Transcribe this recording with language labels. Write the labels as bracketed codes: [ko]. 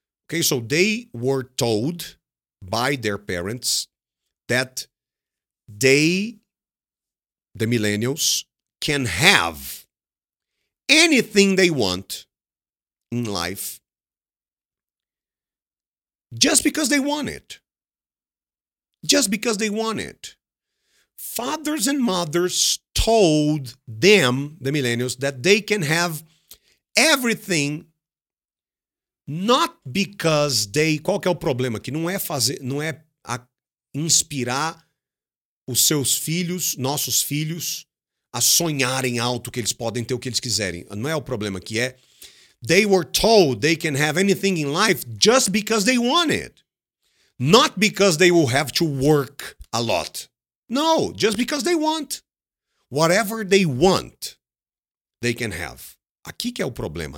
[en] Okay, so they were told by their parents that they, the millennials, can have anything they want in life just because they want it. Just because they want it. Fathers and mothers told them, the millennials, that they can have everything. Not because they... [pt] Qual que é o problema? Que não é fazer, não é inspirar os seus filhos, nossos filhos, a sonharem alto que eles podem ter o que eles quiserem. Não é o problema que é. [en] They were told they can have anything in life just because they want it. Not because they will have to work a lot. No, just because they want. Whatever they want, they can have. [pt] Aqui que é o problema.